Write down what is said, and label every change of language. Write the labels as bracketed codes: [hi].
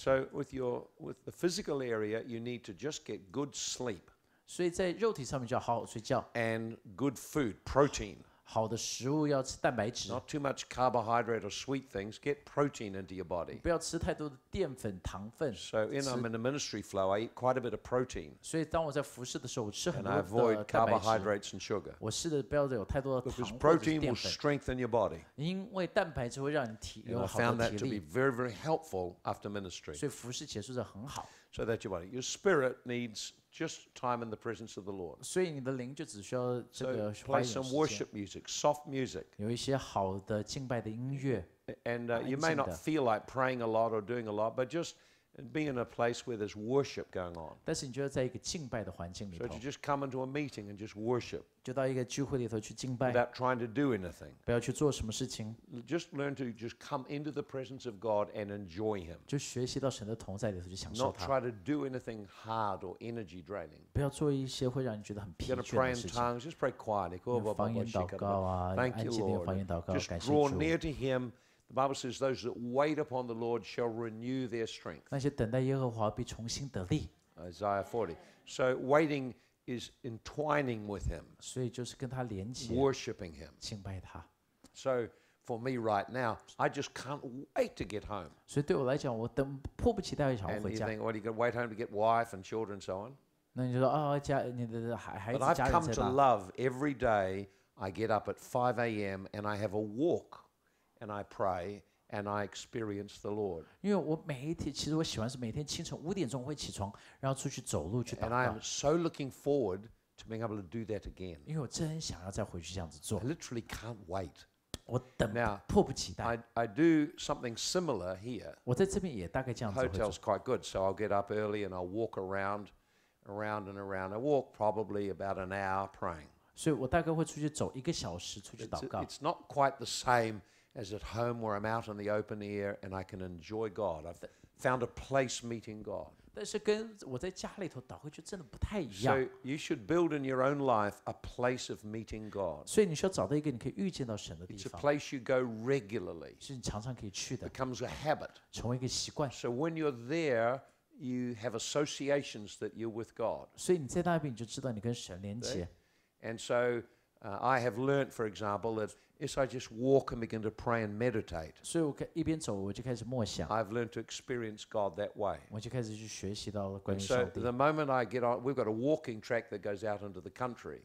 [en] So with the physical area, you need to just get good sleep. [zh] 所以在肉体上面就要好好睡觉。 [en] And good food, protein. [zh] 好的食物要吃蛋白质。 [en] Not too much carbohydrate or sweet things. Get protein into your body. [zh] 不要吃太多的淀粉、糖分。 [en] So in I'm in a ministry flow, I eat quite a bit of protein. [zh] 所以当我在服事的时候，我吃很多的蛋白质。 [en] And I avoid carbohydrates and sugar. [zh] 我试着不要有太多的糖或者淀粉。 [en] Because protein will strengthen your body. [zh] 因为蛋白质会让你体有好的体力。 [en] And I found that to be very, very helpful after ministry. [zh] 所以服事结束是很好。 [en] So that's your body. Your spirit needs just time in the presence of the Lord. [zh] 所以你的灵就只需要这个。 [en] So play some worship music, soft music. [zh] 有一些好的敬拜的音乐。 [en] And you may not feel like praying a lot or doing a lot, but just be in a place where there's worship going on. [zh] 但是你就要在一个敬拜的环境里头。 [en] So you just come into a meeting and just worship. [zh] 就到一个聚会里头去敬拜。 [en] Without trying to do anything. [zh] 不要去做什么事情。 [en] Just learn to just come into the presence of God and enjoy Him. [zh] 就学习到神的同在里头去享受祂。 [en] Not try to do anything hard or energy draining. [zh] 不要做一些会让你觉得很疲倦的事情。 [en] You're gonna pray in tongues. Just pray quietly. [zh] 用方言祷告啊。 [en] Thank you, Lord. [zh] 用方言祷告。 [en] Just draw near to Him. The Bible says, "Those that wait upon the Lord shall renew their strength." [zh] 那些等待耶和华必重新得力。 [en] Isaiah 40. So waiting is entwining with Him. [zh] 所以就是跟他连接。 [en] Worshiping Him. [zh] 敬拜他。 [en] So for me right now, I just can't wait to get home. [zh] 所以对我来讲，我等迫不及待想回家。 [en] And you think, "What are you going to wait home to get wife and children and so on?" [zh] 那你就说，哦，家你的孩子家人在哪？ [en] But I've come to love every day. I get up at 5 a.m. and I have a walk. And I pray, and I experience the Lord. [zh] 因为我每一天，其实我喜欢是每天清晨五点钟会起床，然后出去走路去祷告。 [en] And I am so looking forward to being able to do that again. [zh] 因为我真想要再回去这样子做。 [en] I literally can't wait. [zh] 我等 [en] ，Now, [zh] 迫不及待。 [en] I do something similar here. [zh] 我在这边也大概这样子会做。 [en] Hotel's quite good, so I'll get up early and I'll walk around and around. I walk probably about an hour praying. [zh] 所以我大概会出去走一个小时，出去祷告。 [en] It's not quite the same. As at home, where I'm out in the open air and I can enjoy God, I've found a place meeting God. [zh] 但是跟我在家里头祷告就真的不太一样。 [en] So you should build in your own life a place of meeting God. [zh] 所以你需要找到一个你可以遇见到神的地方。 [en] It's a place you go regularly. [zh] 是你常常可以去的。 [en] Becomes a habit. [zh] 成为一个习惯。 [en] So when you're there, you have associations that you're with God. [zh] 所以你在那边你就知道你跟神连接。 [en] And so I have learned, for example, that. Yes, I just walk and begin to pray and meditate. [zh] 所以我一边走，我就开始默想。 [en] I've learned to experience God that way. [zh] 我就开始去学习到了关于上帝。 [en] So the moment I get on, we've got a walking track that goes out into the country.